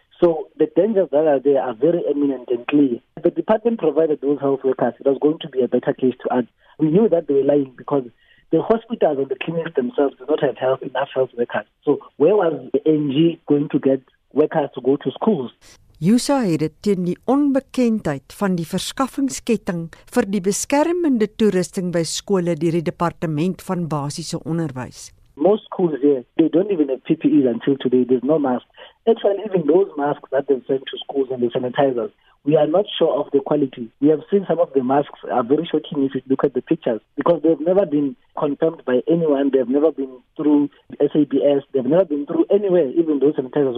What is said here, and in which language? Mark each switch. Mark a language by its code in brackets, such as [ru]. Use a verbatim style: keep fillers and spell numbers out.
[en] So the dangers that are there are very eminent and clear. If the department provided those health workers, it was going to be a better case to us. We knew that they were lying because the hospitals and the clinics themselves do not have health, enough health workers. So where was the N G going to get workers to go to schools? [af] Yusa het dit teen die onbekendheid van die verskaffingsketting vir die beskermende toerusting by skole deur die departement van basiese onderwys. [en] Most schools here, they don't even have P P Es until today. There's no masks. Actually, even those masks that they send to schools and the sanitizers, we are not sure of the quality. We have seen some of the masks are very shocking if you look at the pictures, because they've never been confirmed by anyone. They've never been through S A B S. They've never been through anywhere, even those sanitizers.